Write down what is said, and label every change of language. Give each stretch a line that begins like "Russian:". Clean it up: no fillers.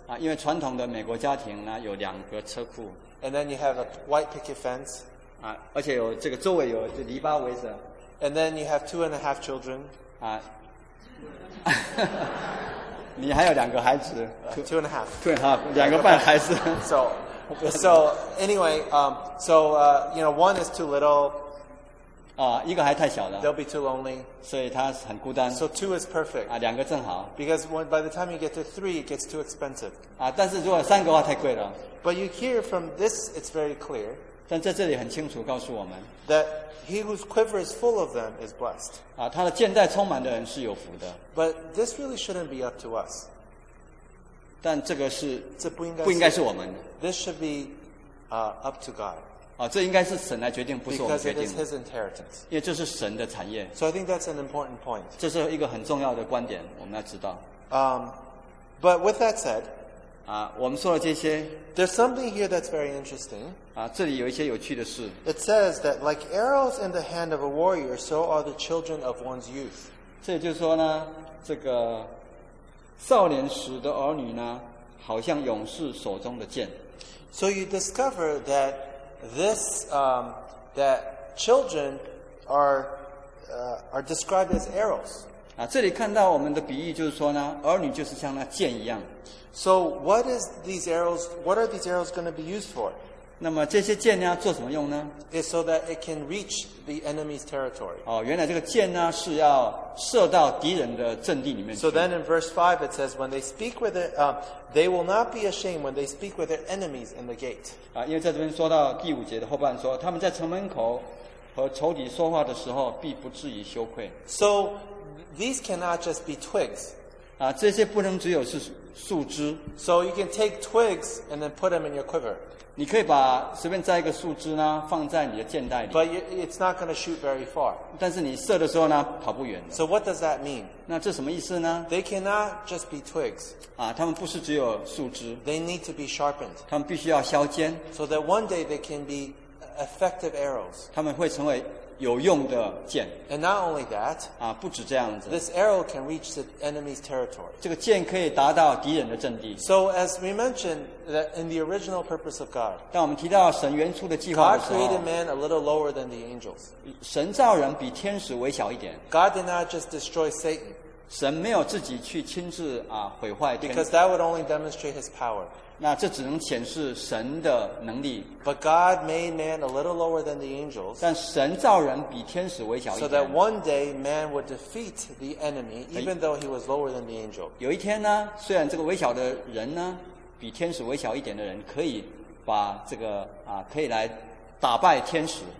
Chinese: 啊，因为传统的美国家庭呢有两个车库。
English: And then you have a white picket fence.
Chinese: 啊，而且有这个周围有这篱笆围着。
English: And then you have 2.5 children. 啊。
Chinese: 你还有两个孩子
English: two and a half
Chinese: 两个半孩子
English: so anyway, one is too little
Chinese: 啊、哦，一个还太小了
English: they'll be too lonely
Chinese: 所以他很孤单
English: so two is perfect
Chinese: 啊，两个正好
English: because when, by the time you get to three it gets too expensive
Chinese: 啊，但是如果三个话太贵了
English: but you hear from this it's very clear
Chinese: 但在这里很清楚告诉我们
English: that he whose quiver is full of them is blessed
Chinese: 啊，他的箭袋充满的人是有福的
English: But this really shouldn't be up to us.
Chinese: 但这个是这不应该是我们的。
English: This should be up to God.
Chinese: 啊，这应该是神来决定，不是我们决定。
English: Because it is His inheritance.
Chinese: 因为这是神的产业。
English: So I think that's an important point.
Chinese: 这是一个很重要的观点，我们要知道。
English: But with that said,
Chinese: 啊，我们说了这些。
English: There's something here that's very interesting.
Chinese: 啊，这里有一些有趣的事。
English: It says that like arrows in the hand of a warrior, so are the children of one's youth.
Chinese: 这也就是说呢。这个少年时的儿女呢，好像勇士手中的剑。
English: So you discover that this that children are described as arrows.
Chinese: 啊，这里看到我们的比喻就是说呢，儿女就是像那剑一样。
English: So what is these arrows? What are these arrows going to be used for?
Chinese: 那么这些剑呢，做什么用呢
English: ？Is so that it can reach the enemy's territory.
Chinese: 哦，原来这个箭呢是要射到敌人的阵地里面去。
English: So then in verse 5 it says, when they speak with it, they will not be ashamed when they speak with their enemies in the gate.
Chinese: 啊，因为在这边说到第五节的后半说，他们在城门口和仇敌说话的时候，必不至于羞愧。
English: So these cannot just be twigs.
Chinese: 啊，这些不能只有是树枝。
English: So you can take twigs and then put them in your quiver.
Chinese: 你可以把随便摘一个树枝呢，放在你的箭袋里。
English: But it's not going to shoot very far.
Chinese: 但是你射的时候呢，跑不远。
English: So what does that mean?
Chinese: 那这什么意思呢
English: ？They cannot just be twigs.
Chinese: 啊，他们不是只有树枝。
English: They need to be sharpened.
Chinese: 他们必须要削尖。
English: So that one day they can be effective arrows.
Chinese: 他们会成为有用的箭。
English: And not only that.
Chinese: 啊，不止这样子。
English: This arrow can reach the enemy's territory.
Chinese: 这个箭可以达到敌人的阵地。
English: So as we mentioned that in the original purpose of God.
Chinese: 当我们提到神原初的计划的时候。
English: God created man a little lower than the angels.
Chinese: 神造人比天使微小一点。
English: God did not just destroy Satan.
Chinese: 神没有自己去亲自啊毁坏天使。
English: Because that would only demonstrate his power.
Chinese: 那这只能显示神的能力。
English: But God made man a little lower than the angels.
Chinese: 但神造人比天使微小一点。
English: So that one day man would defeat the enemy, even though he was lower than the angel.
Chinese: 有一天呢，虽然这个微小的人呢，比天使微小一点的人，可以把这个啊，可以来打败天使。